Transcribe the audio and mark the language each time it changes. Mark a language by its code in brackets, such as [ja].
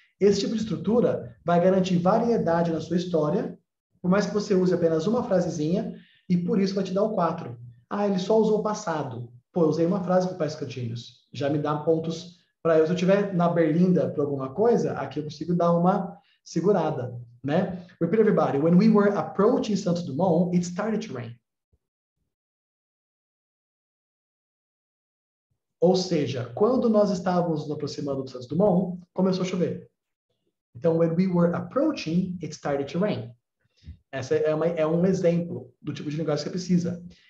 [pt] Esse tipo de estrutura vai garantir variedade na sua história, por mais que você use apenas uma frasezinha, e por isso vai te dar o 4. Ah, ele só usou o passado. Pô, eu usei uma frase com o Pais Cantinhos. Já me dá pontos para eu. Se eu estiver na Berlinda por alguma coisa, aqui eu consigo dar uma segurada, né? [en] Repeat, everybody. When we were approaching Santos Dumont, it started to rain. [pt] Ou seja, quando nós estávamos nos aproximando do Santos Dumont, começou a chover. Então, [en] when we were approaching, it started to rain. [pt] Essa é um exemplo do tipo de negócio que você precisa.